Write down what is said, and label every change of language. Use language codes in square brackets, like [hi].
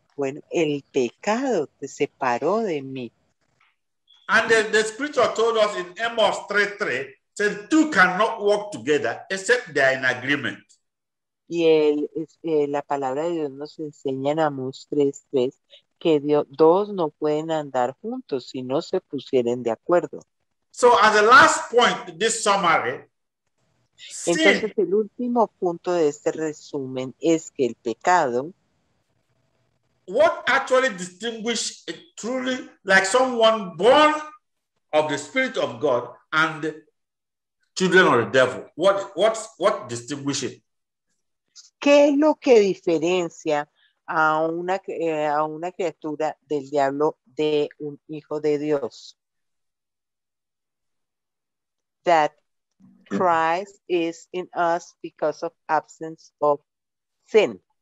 [es] Bueno, el pecado te separó de mí. [en] And the scripture told us in Amos 3:3, said two cannot walk together except they are in agreement. [es] Y la palabra de Dios nos enseña en Amos 3:3 que dos no pueden andar juntos si no se pusieren de acuerdo. [en] So as a last point, this summary. [es] Entonces, sin, el último punto de este resumen es que el pecado. [en] What actually distinguishes a truly like someone born of the Spirit of God and children of the devil? What distinguishes? [es] ¿Qué es lo que diferencia a una criatura del diablo de un hijo de Dios? [en] That Christ is in us because of absence of sin.